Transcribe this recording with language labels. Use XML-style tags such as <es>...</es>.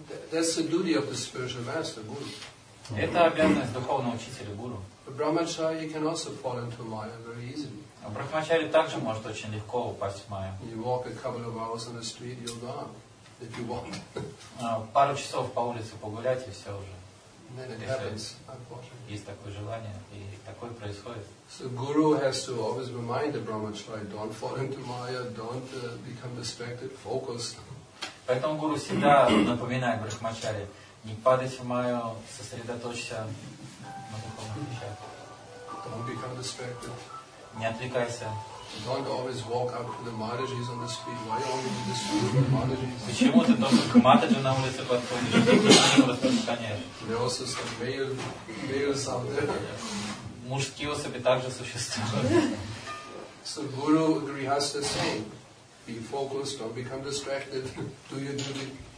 <en>That's the duty of the spiritual master, guru.</en> <ru>Это обязанность духовного учителя, гуру.</ru> <en>A brahmachari can also fall into maya very easily.</en> <ru>А брахмачари также может очень легко упасть в майя.</ru> <en>You walk a couple of hours on the street, you're gone. If you want.</en> <ru>Пару часов по улице погулять и все уже.</ru> <en>Then it happens, unfortunately.</en> <ru>Есть такое желание и такое происходит.</ru> <en>So guru has to always remind the brahmachari, don't fall into maya, don't become distracted, focus.</en> <ru>Поэтому гуру всегда напоминает брахмачари, не падайте в майю, сосредоточься на духовных вещах.</ru> <en>Don't become distracted.</en> <ru>Не отвлекайся.</ru> <en>Don't always walk up to the Mataji's on the street. Why only to the street of the Mataji's?</en> <ru>Почему ты только к Матаджи на улице подходишь?</ru> <en>There also some males out there.</en> <ru>Мужские особи также существуют.</ru> <en>So guru Grihastha saying. Be focused, don't become distracted. Do your duty.</en>